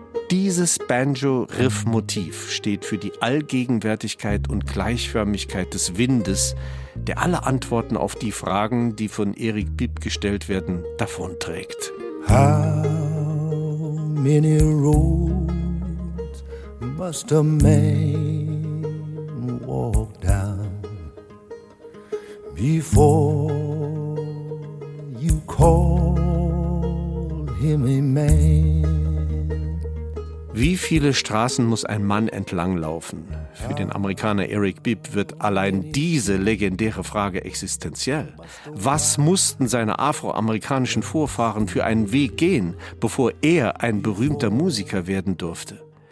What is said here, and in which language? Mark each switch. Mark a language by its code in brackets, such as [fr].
[de] Dieses Banjo-Riff-Motiv steht für die Allgegenwärtigkeit und Gleichförmigkeit des Windes, der alle Antworten auf die Fragen, die von Eric Bibb gestellt werden, davonträgt. [en] How many roads must a man walk down before you call him a man? [de] Wie viele Straßen muss ein Mann entlanglaufen? Für den Amerikaner Eric Bibb wird allein diese legendäre Frage existenziell. Was mussten seine afroamerikanischen Vorfahren für einen Weg gehen, bevor er ein berühmter Musiker werden durfte?